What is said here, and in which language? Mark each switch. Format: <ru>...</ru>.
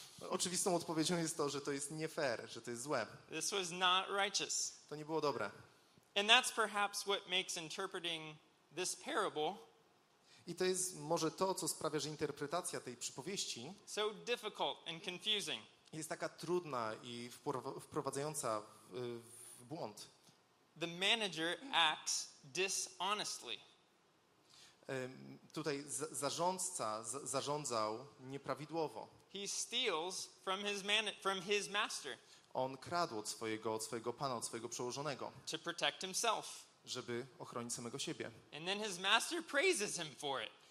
<pl>Oczywistą odpowiedzią jest to, że to jest nie fair, że to jest złe.</pl> <en>This was not righteous.</en> <pl>To nie było dobre.</pl> <en>And that's perhaps what makes interpreting this parable.</en> <pl>I to jest może to, co sprawia, że interpretacja tej przypowieści</pl> <en>so difficult and confusing.</en> <pl>Jest taka trudna i wprowadzająca w błąd.</pl> <en>The manager acts dishonestly.</en> <pl>Tutaj zarządca zarządzał nieprawidłowo.</pl> <en>He steals from his master.</en> <pl>On kradł od swojego pana, od swojego przełożonego.</pl> <en>To protect himself.</en> <pl>Żeby ochronić samego siebie.</pl> <en>And then his master praises him for it.</en>